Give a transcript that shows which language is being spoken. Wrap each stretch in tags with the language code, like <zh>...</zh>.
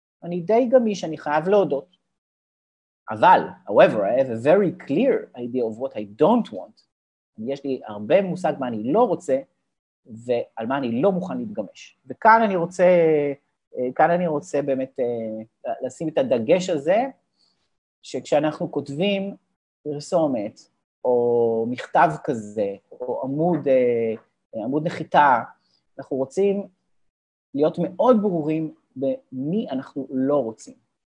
<he>אני די גמיש, אני חייב להודות.</he> <en>אבל, however, I have a very clear idea of what I don't want.</en> <he>יש לי הרבה מושג מה אני לא רוצה, ועל מה אני לא מוכן להתגמש. וכאן אני רוצה, כאן אני רוצה באמת לשים את הדגש הזה, שכשאנחנו כותבים פרסומת, או מכתב כזה, או עמוד, עמוד נחיתה, אנחנו רוצים להיות מאוד ברורים, במי אנחנו לא רוצים.</he>